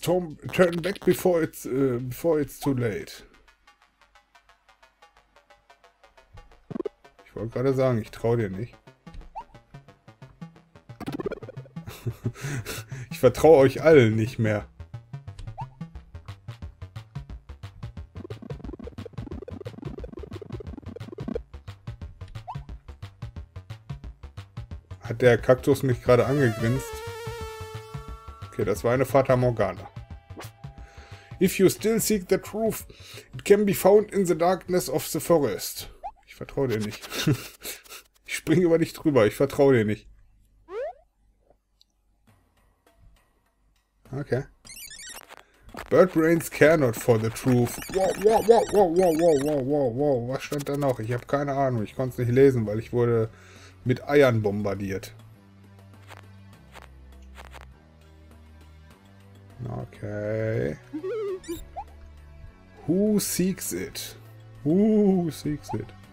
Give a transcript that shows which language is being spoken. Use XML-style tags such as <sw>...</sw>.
<en>Turn back before it's too late.</en> <de>Ich wollte gerade sagen, ich traue dir nicht. Ich vertraue euch allen nicht mehr. Hat der Kaktus mich gerade angegrinst? Okay, das war eine Fata Morgana.</de> <en>If you still seek the truth, it can be found in the darkness of the forest.</en> <de>Ich vertraue dir nicht. Ich springe über dich drüber. Ich vertraue dir nicht. Okay.</de> <en>Bird Brains care not for the truth. Wow.</en> <de>Was stand da noch? Ich habe keine Ahnung. Ich konnte es nicht lesen, weil ich wurde mit Eiern bombardiert. Okay.</de> <en>Who seeks it? Who seeks it?</en>